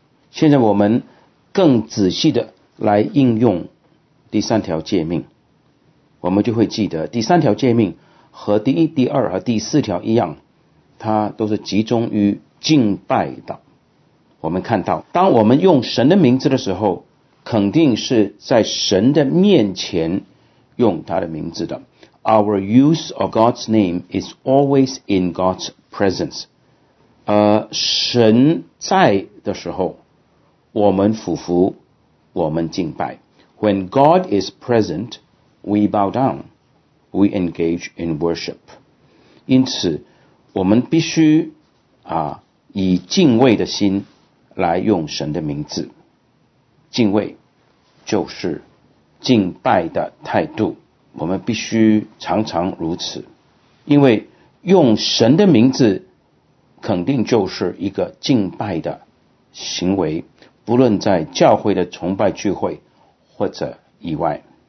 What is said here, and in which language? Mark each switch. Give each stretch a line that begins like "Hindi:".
Chinese: 现在我们更仔细的来应用第三条诫命，我们就会记得第三条诫命和第一、第二和第四条一样，它都是集中于敬拜的。我们看到，当我们用神的名字的时候，肯定是在神的面前用他的名字的。
English: Our use of God's name is always in God's presence.
Chinese: 神在的时候，我们俯伏，我们敬拜。
English: When God is present, we bow down. We engage in worship.
Chinese: 因此我们必须以敬畏的心来用神的名字。敬畏就是敬拜的态度，我们必须常常如此，因为用神的名字肯定就是一个敬拜的行为，不论在教会的崇拜聚会或者以外。